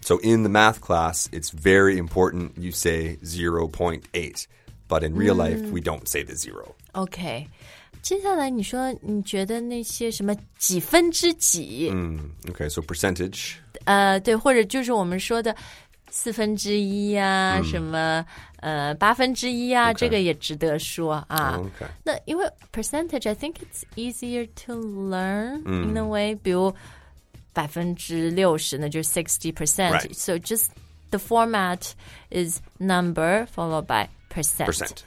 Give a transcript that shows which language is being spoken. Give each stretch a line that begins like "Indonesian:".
English: So in the math class, it's very important you say 0.8 But in real life,、嗯、 we don't say the zero
Chinese: OK 接下来你说你觉得那些什么几分之几、
English: 嗯、OK, so percentage、
Chinese: 对或者就是我们说的四分之一啊、嗯、什么八分之一啊、这个也值得说啊、
English: okay.
Chinese: 那因为
English: percentage I think it's easier to learn、嗯、 in a way
Chinese: 比如60%那就是 60%、
English: right. so just the format is number followed by percent.